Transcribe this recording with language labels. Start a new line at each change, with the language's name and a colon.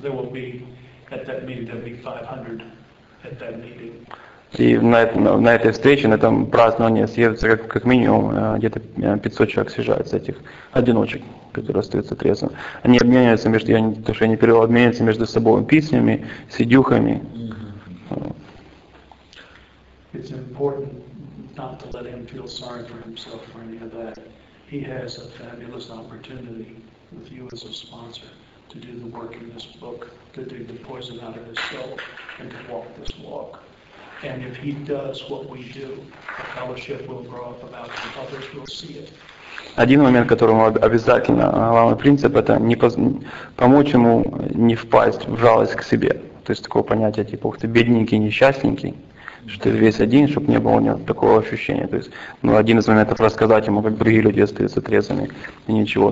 English: There will be, at that meeting, there will be 500 at that meeting.
Russian: И на этой встрече, на этом праздновании съедется как минимум где-то 500 человек съезжает с этих одиночек, которые остаются трезвыми. Они обмениваются между, я не то, что я не перевел, обмениваются между собой письмами, сидюхами. Mm-hmm.
English: It's important not to let him feel sorry for himself or any of that. He has a fabulous opportunity with you as a sponsor. To do the work in this book, to dig the poison out of his soul, and to walk this walk. And if he does what we do, the fellowship will grow up about him. Others will see it.
Russian: Один момент, которому обязательно главный принцип, это не помочь ему не впасть в жалость к себе. То есть такое понятие типа ух ты бедненький, несчастненький. Что ты весь один, чтобы не было у него такого ощущения. То есть, ну, один из моментов рассказать ему, как другие люди остаются трезвыми, и ничего.